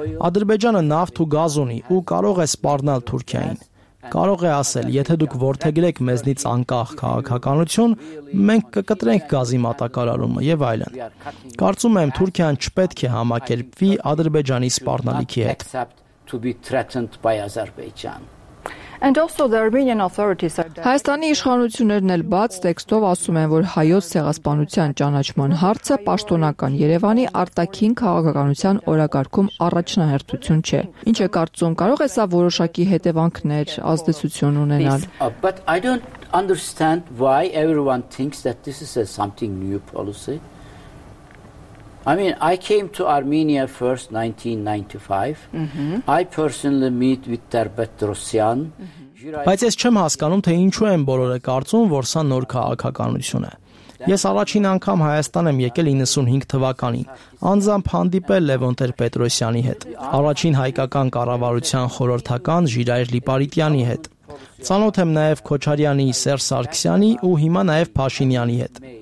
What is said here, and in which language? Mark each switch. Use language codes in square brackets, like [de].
[hy] Ադրբեջանը նավթ ու գազ ունի ու կարող է սպառնալ Թուրքիային։ Կարող է ասել, եթե դուք որդեգրեք մեզնից անկախ քաղաքականություն, մենք կկտրենք գազի մատակարարումը եւ այլն։ Կարծում եմ, Թուրքիան չպետք է համակերպվի Ադրբեջանի սպառնալիքի հետ։ Հայաստանի իշխանություններն էլ բաց տեքստով ասում են, որ հայոց ցեղասպանության ճանաչման հարցը պաշտոնական Երևանի արտաքին քաղաքականության օրակարգում առաջնահերթություն չէ։ Ինչ է կարծում, կարող է սա որոշակի հետևանքներ, ազդեցություն ունենալ։ [en] But I don't understand why everyone thinks that this is a something new policy. I mean, I came to Armenia first 1995. Mm-hmm. I personally meet with Dr. Petrosyan. [hy] Բայց ես չեմ հասկանում, թե ինչու են բոլորը կարծում, որ սա նոր քաղաքականություն է։ Ես առաջին անգամ Հայաստան եմ եկել 95 թվականին, անձամբ հանդիպել Լևոն Տեր-Պետրոսյանի հետ, առաջին հայկական կառավարության խորհրդական Ժիրայր Լիպարիտյանի հետ։ Ծանոթ եմ նաև Քոչարյանի, Սերժ Սարգսյանի ու հիմա նաև Փաշինյանի հետ։